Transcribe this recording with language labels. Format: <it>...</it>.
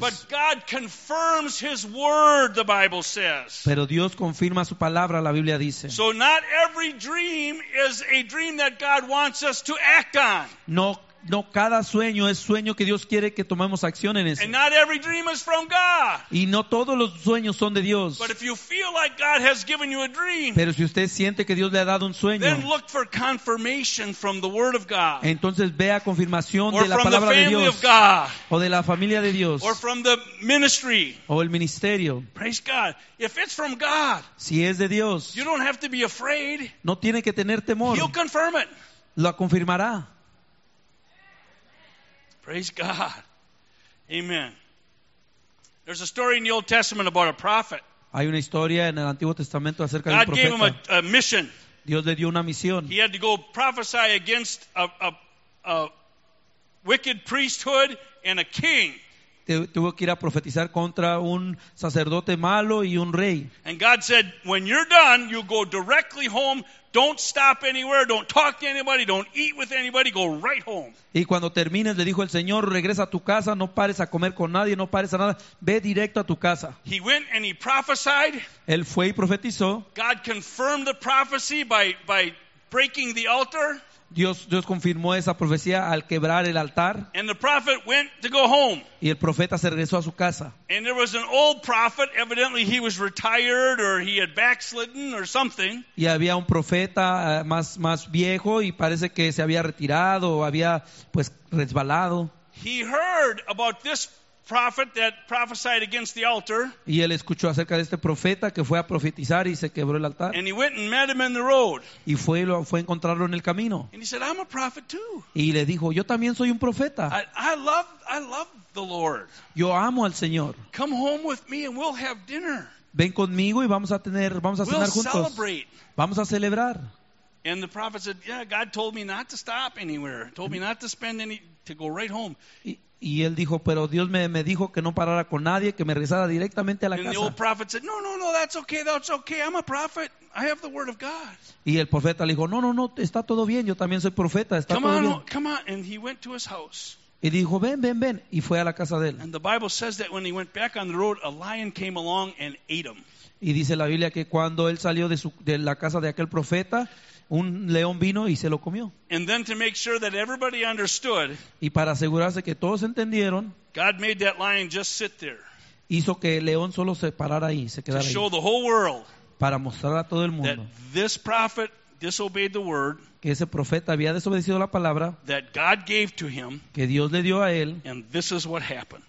<en>But God confirms His word, the Bible says.</en> <es>Pero Dios confirma su palabra, la Biblia dice.</es> <en>So not every dream is a dream that God wants us to act on.</en> <es>No cada sueño es sueño que Dios quiere que tomemos acción en ese.</es> <en>And not every dream is from God.</en> <es>Y no todos los sueños son de Dios.</es> <en>But if you feel like God has given you a dream,</en> <es>pero si usted siente que Dios le ha dado un sueño,</es> <en>then look for confirmation from the word of God.</en> <es>Entonces vea confirmación</es> <en>or</en> <es>de la palabra</es> <en>the family</en> <es>de Dios.</es> <en>Of God.</en> <es>O de la familia de Dios.</es> <en>Or from the ministry.</en> <es>O el ministerio.</es> <en>Praise God. If it's from God,</en> <es>si es de Dios,</es> <en>you don't have to be afraid.</en> <es>No tiene que tener temor.</es> <en>He'll confirm it.</en> <es>Lo confirmará.</es> <en>Praise God. Amen. There's a story in the Old Testament about a prophet.</en> <es>Hay una historia en el Antiguo Testamento acerca</es> <en>God</en> <es>de un profeta.</es> <en>Gave him a mission.</en> <es>Dios le dio una misión.</es> <en>He had to go prophesy against a wicked priesthood and a king.</en> <es>Tuvo que ir a profetizar contra un sacerdote malo y un rey.</es> <en>And God said, when you're done, you go directly home. Don't stop anywhere, don't talk to anybody, don't eat with anybody, go right home.</en> <es>Y cuando termines, le dijo el Señor, regresa a tu casa, no pares a comer con nadie, no pares a nada, ve directo a tu casa.</es> <en>He went and he prophesied.</en> <es>Él fue y profetizó.</es> <en>God confirmed the prophecy by breaking the altar.</en> <es>Dios confirmó esa profecía al quebrar el altar.</es> <en>And the prophet went to go home.</en> <es>Y el profeta se regresó a su casa.</es> <en>And there was an old prophet, evidently he was retired or he had backslidden or something.</en> <es>Y había un profeta más viejo y parece que se había retirado o había pues resbalado.</es> <en>He heard about this prophet that prophesied against the altar.</en> <es>Y él escuchó acerca de este profeta que fue a profetizar y se quebró el altar.</es> <en>And he went and met him in the road.</en> <es>Y fue a encontrarlo en el camino.</es> <en>And he said, I'm a prophet too.</en> <es>Y le dijo, yo también soy un profeta.</es> <en>I love the Lord.</en> <es>Yo amo al Señor.</es> <en>Come home with me and we'll have dinner.</en> <es>Ven conmigo y vamos a cenar juntos.</es> <en>We'll celebrate.</en> <es>Vamos a celebrar.</es> <en>And the prophet said, yeah, God told me not to stop anywhere. Told me not to spend any, to go right home.</en> <es>Y él dijo, pero Dios me dijo que no parara con nadie, que me regresara directamente a la casa.</es> <en>And the old prophet said, no, that's okay, I'm a prophet, I have the word of God.</en> <es>Y el profeta le dijo, no, está todo bien, yo también soy profeta, está</es> <en>come</en> <es>todo</es> <en>on,</en> <es>bien.</es> <en>Come on, and he went to his house.</en> <es>Y dijo, ven, y fue a la casa de él.</es> <en>And the Bible says that when he went back on the road, a lion came along and ate him.</en> <es>Y dice la Biblia que cuando él salió de la casa de aquel profeta, un león vino y se lo comió.</es> <en>And then to make sure that everybody understood,</en> <es>y para asegurarse que todos entendieron,</es> <en>God made that lion just sit there.</en> <es>Hizo que el león solo se parara ahí, se quedara</es> <en>to show</en> <es>ahí.</es> <en>The whole world</en> <es>para mostrar a todo el mundo</es> <en>that this prophet disobeyed the word,</en> <es>que ese profeta había desobedecido la palabra</es> <en>that God gave to him,</en> <es>que Dios le dio a él,</es> <en>and this is what happened.</en>